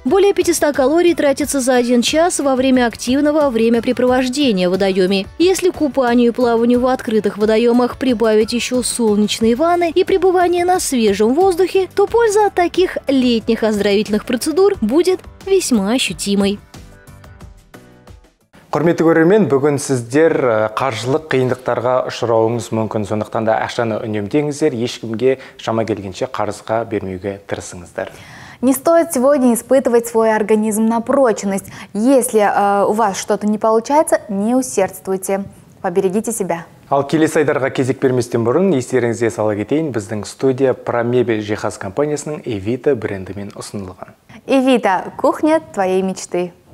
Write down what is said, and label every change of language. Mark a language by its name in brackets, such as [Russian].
[Russian] Более 500 калорий тратится за один час во время активного времяпрепровождения в водоеме. Если к купанию и плаванию в открытых водоемах прибавить еще солнечные ванны и пребывание на свежем воздухе, то польза от таких летних оздоровительных процедур будет весьма ощутимой. [Kazakh] Құрметті көрермен, бүгін сіздер қаржылық қиындықтарға ұшырауыңыз мүмкін, сондықтан да ақшаны үнемдеңіздер, ешкімге шама келгенше қарызға бермеуге тырысыңыздар. [Russian] Не стоит сегодня испытывать свой организм на прочность. Если у вас что-то не получается, не усердствуйте. Поберегите себя. [Kazakh] Ал келесі айдарға кезек берместен бұрын, естеріңізге сала кетейін, біздің студия Промебель жиһаз компаниясының Эвита брендімен ұсынылған. [Russian] Эвита, кухня твоей мечты.